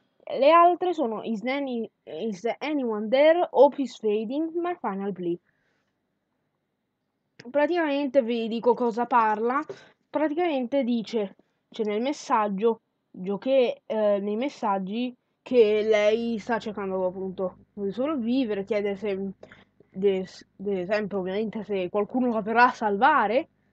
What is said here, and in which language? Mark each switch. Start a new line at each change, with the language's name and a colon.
Italian: Le altre sono
English: Is anyone there? Hope is fading, my final plea.
Italian: Praticamente, vi dico cosa parla, praticamente dice, c'è nel messaggio, giochè nei messaggi, che lei sta cercando appunto di sopravvivere, chiede se, ad esempio, ovviamente, se qualcuno la verrà a salvare.